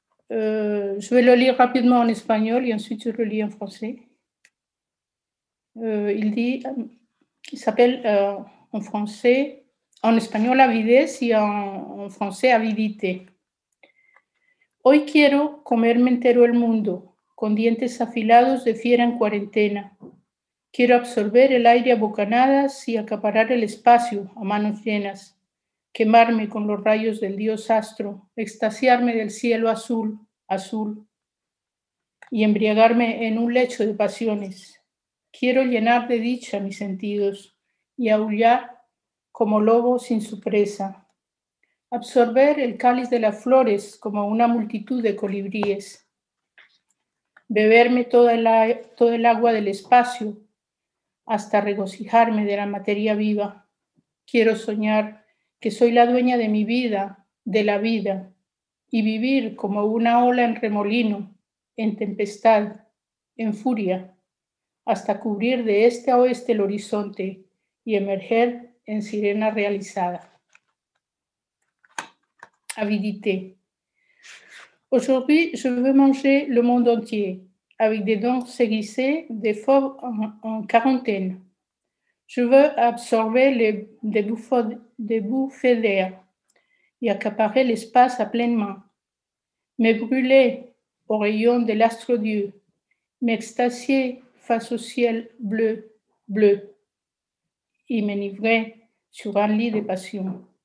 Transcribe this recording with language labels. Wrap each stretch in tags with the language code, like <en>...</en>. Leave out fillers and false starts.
<fr>Je vais le lire rapidement en espagnol et ensuite je le lis en français. Il dit, il s'appelle en français, en espagnol</fr> <es>avidez y</es> <fr>en français avidité.</fr> <es>Hoy quiero comerme entero el mundo con dientes afilados de fiera en cuarentena. Quiero absorber el aire a bocanadas y acaparar el espacio a manos llenas, quemarme con los rayos del dios astro, extasiarme del cielo azul, azul, y embriagarme en un lecho de pasiones. Quiero llenar de dicha mis sentidos y aullar como lobo sin su presa. Absorber el cáliz de las flores como una multitud de colibríes. Beberme toda el agua del espacio, hasta regocijarme de la materia viva. Quiero soñar que soy la dueña de mi vida, de la vida, y vivir como una ola en remolino, en tempestad, en furia, hasta cubrir de este a oeste el horizonte y emerger en sirena realizada.</es> <fr>Avidité. Aujourd'hui, je veux manger le monde entier. Avec des dents aiguisées, des fauves en quarantaine. Je veux absorber des bouffées d'air et accaparer l'espace à pleines mains, me brûler au rayon de l'astre-dieu, m'extasier face au ciel bleu, bleu, et m'enivrer sur un lit de passion.</fr>